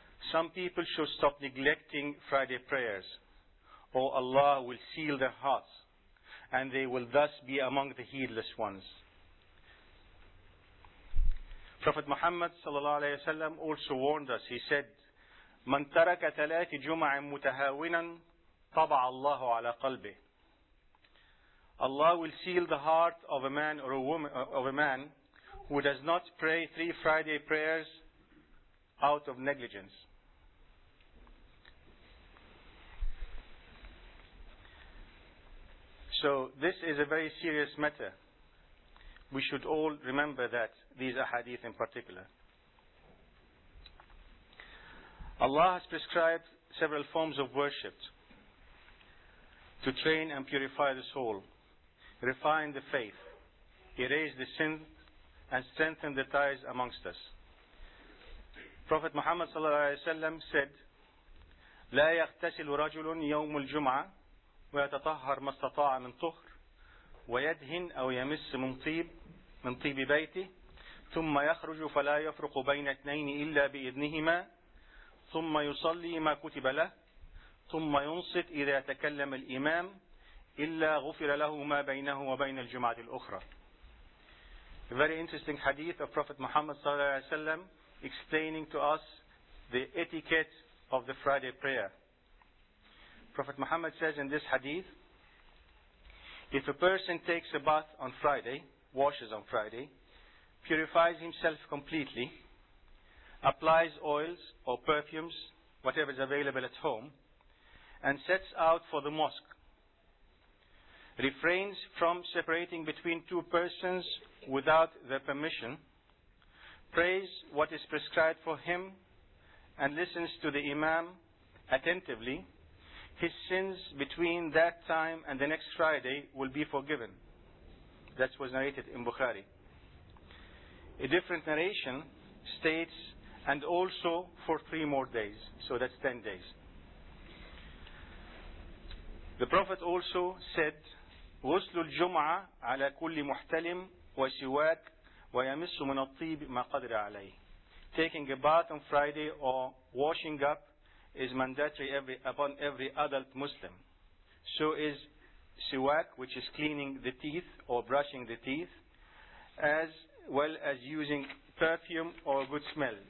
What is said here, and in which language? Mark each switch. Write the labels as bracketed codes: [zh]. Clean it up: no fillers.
[en] Some people should stop neglecting Friday prayers, or Allah will seal their hearts, and they will thus be among the heedless ones. Prophet Muhammad sallallahu alayhi wa sallam also warned us. He said, [ar] مَنْ تَرَكَ ثَلَاثِ جُمَعٍ مُتَهَاوِنًا طَبَعَ اللَّهُ عَلَىٰ قَلْبِهِ. [en] Allah will seal the heart of a man or a woman, who does not pray three Friday prayers out of negligence. So this is a very serious matter. We should all remember that, these ahadith in particular. Allah has prescribed several forms of worship. to train and purify the soul, refine the faith, erase the sin, and strengthen the ties amongst us. Prophet Muhammad sallallahu alayhi wa sallam said, [ar] لا يغتسل رجل يوم الجمعة ويتطهر ما استطاع من طهر ويدهن أو يمس من طيب بيته ثم يخرج فلا يفرق بين اثنين إلا بإذنهما ثم يصلي ما كتب له ثم ينصت إذا تكلم الإمام إلا غفر له ما بينه وبين الجمعة الأخرى. [en] A very interesting hadith of Prophet Muhammad [ar] صلى الله عليه وسلم [en] explaining to us the etiquette of the Friday prayer. Prophet Muhammad says in this hadith, if a person takes a bath on Friday, washes on Friday, purifies himself completely, applies oils or perfumes, whatever is available at home, and sets out for the mosque, refrains from separating between two persons without their permission, prays what is prescribed for him, and listens to the imam attentively, his sins between that time and the next Friday will be forgiven. That was narrated in Bukhari. A different narration states, and also for 3 more days. So that's 10 days. The Prophet also said, [ar] غسل الجمعة على كل محتلم وسواك ويمس من الطيب ما قدر عليه. [en] Taking a bath on Friday or washing up is mandatory upon every adult Muslim. So is siwak, which is cleaning the teeth or brushing the teeth, as well as using perfume or good smell.